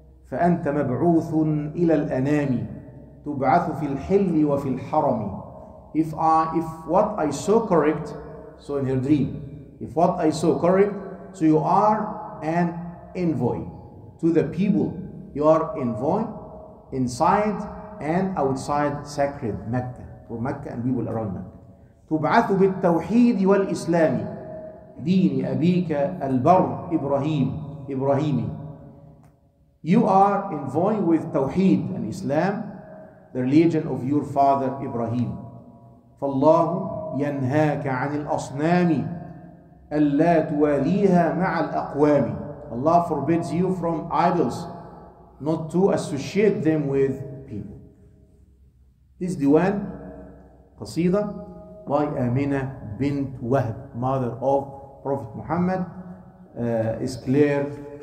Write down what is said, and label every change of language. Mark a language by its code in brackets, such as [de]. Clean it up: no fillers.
[ar] فَأَنْتَ مَبْعُوثٌ إِلَى الْأَنَامِ تُبْعَثُ فِي الْحِلِّ وَفِي الْحَرَمِ [en] If what I saw correct, so in her dream, if what I saw correct, so you are an envoy to the people. You are envoy inside and outside sacred Mecca, for Mecca and people around Mecca. [ar] تبعث بالتوحيد والإسلام دين أبيك البر إبراهيم إبراهيمي. [en] You are envoy with Tawheed and Islam, the religion of your father Ibrahim. [ar] فالله ينهاك عن الأصنام ألا تواليها مع الأقوام. [en] Allah forbids you from idols, not to associate them with people. This diwan, قصيدة, by Amina bint Wahb, mother of Prophet Muhammad, is clear.